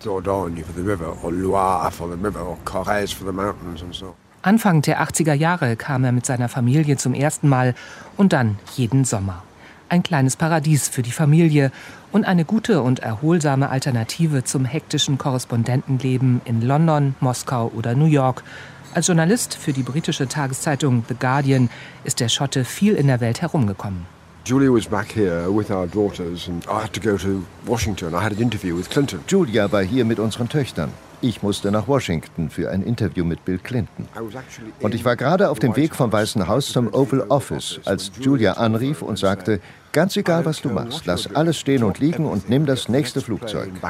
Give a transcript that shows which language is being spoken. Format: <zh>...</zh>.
<en>Dordogne for the river, or Loire for the river, or Corrèze for the mountains and so.</en> <de>Anfang der 80er Jahre kam er mit seiner Familie zum ersten Mal und dann jeden Sommer. Ein kleines Paradies für die Familie und eine gute und erholsame Alternative zum hektischen Korrespondentenleben in London, Moskau oder New York. Als Journalist für die britische Tageszeitung The Guardian ist der Schotte viel in der Welt herumgekommen.</de> <en>Julia was back here with our daughters and I had to go to Washington. I had an interview with Clinton.</en> <de>Julia war hier mit unseren Töchtern. Ich musste nach Washington für ein Interview mit Bill Clinton. Und ich war gerade auf dem Weg vom Weißen Haus zum Oval Office, als Julia anrief und sagte, ganz egal, was du machst, lass alles stehen und liegen und nimm das nächste Flugzeug.</de>